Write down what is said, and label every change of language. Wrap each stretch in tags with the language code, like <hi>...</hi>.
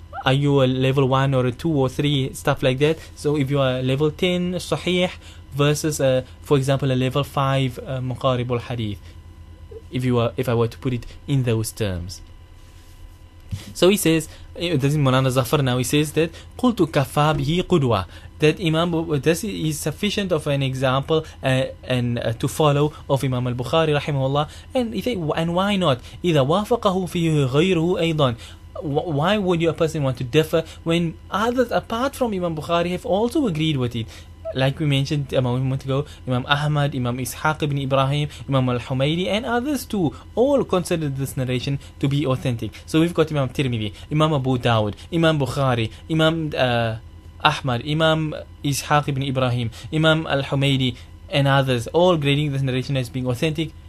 <en>Are you a level 1 or a 2 or 3, stuff like that. So if you are level 10 sahih versus for example a level 5 muqarib al hadith, if I were to put it in those terms. So he says, this is Mulana Zafar now, he says that</en> <ar>قلت كفى به قدوة,</ar> <en>that Imam, this is sufficient of an example and to follow of Imam al-Bukhari rahimahullah. And why not</en> <ar>إذا وافقه فيه غيره أيضا.</ar> <en>Why would a person want to differ when others apart from Imam Bukhari have also agreed with it? Like we mentioned a moment ago, Imam Ahmad, Imam Ishaq ibn Ibrahim, Imam al-Humaydi and others too, all considered this narration to be authentic. So we've got Imam Tirmidhi, Imam Abu Dawud, Imam Bukhari, Imam Ahmad, Imam Ishaq ibn Ibrahim, Imam al-Humaydi and others, all grading this narration as being authentic.</en>